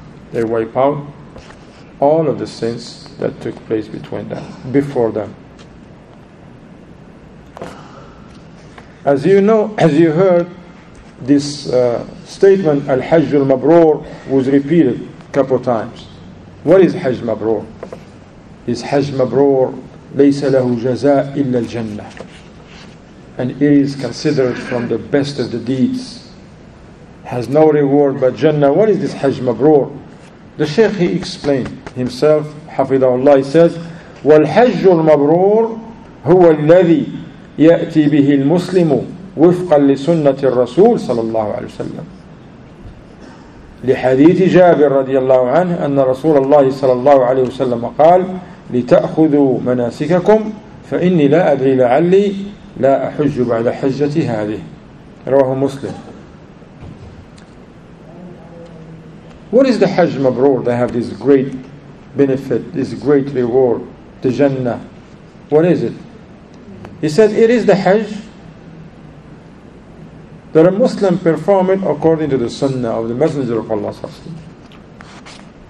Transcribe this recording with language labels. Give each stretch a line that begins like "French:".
English: They wipe out all of the sins that took place between them, before them." As you know, as you heard, this statement, al-hajj al-mabroor, was repeated a couple of times. What is hajj mabroor? Is hajj mabroor,
Arabic: ليس له جزاء إلا الجنة.
English: And it is considered from the best of the deeds. Has no reward but Jannah. What is this Hajj Mabroor? The Shaykh, he explained himself, Hafidhahullah, he says,
Arabic: والحج المبرور هو الذي يأتي به المسلم وفقا لسنة الرسول صلى الله عليه وسلم لحديث جابر رضي الله عنه أن رسول الله صلى الله عليه وسلم قال لتأخذوا مناسككم فإني لا أدري لعلي لا أحج بعد حجتي هذه رواه مسلم.
English: What is the Hajj Mabroor? They have this great benefit, this great reward, the Jannah. What is it? He said it is the Hajj that a Muslim perform it according to the Sunnah of the Messenger of Allah sallallahu alaihi wasallam.